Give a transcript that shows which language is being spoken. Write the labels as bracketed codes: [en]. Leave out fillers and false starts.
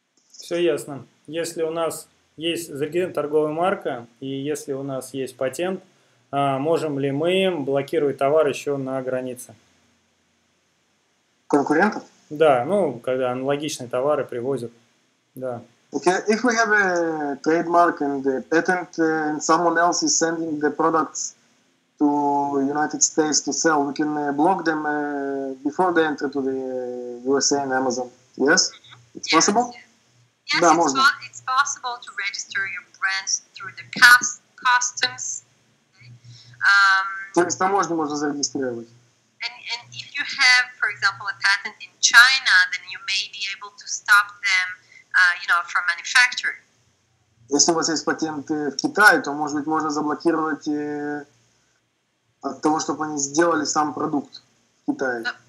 [ru] Все ясно. Если у нас есть зарегистрированная торговая марка, и если у нас есть патент, можем ли мы блокировать товар еще на границе? Конкурентов? Да, ну, когда аналогичные товары привозят, да. [en] Okay, if we have a trademark and a patent and someone else is sending the products to United States to sell, we can block them before they enter to the USA and Amazon. Yes? It's possible? Yes, [ru] да, можно. [en] It's possible to register your brand through the customs. [ru] То есть таможню можно зарегистрировать. [en] And if you have, for example, a patent in China, then you may be able to stop them from manufacturing. [ru] Если у вас есть патенты в Китае, то, может быть, можно заблокировать от того, чтобы они сделали сам продукт в Китае.